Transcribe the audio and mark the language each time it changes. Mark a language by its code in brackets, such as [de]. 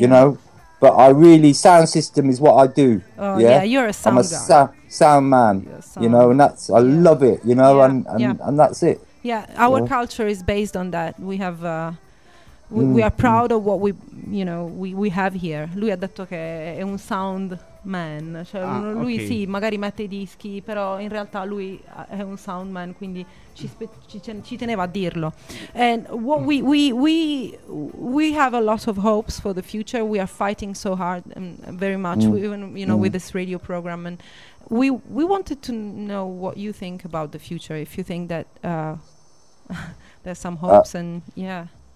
[en] you know, but I really, sound system is what I do. Oh yeah, you're a sound. I'm a sound man. Sound. You know, and that's I love it. You know, and that's it. Yeah, our culture is based on that. We have. We are proud of what we have here. [it] Lui ha detto che è un sound man, cioè lui sì, magari mette i dischi, però in realtà lui è un sound man, quindi ci teneva a dirlo. [en] And what we have a lot of hopes for the future. We are fighting so hard and very much even, you know, with this radio program, and we wanted to know what you think about the future, if you think that there's some hopes and yeah.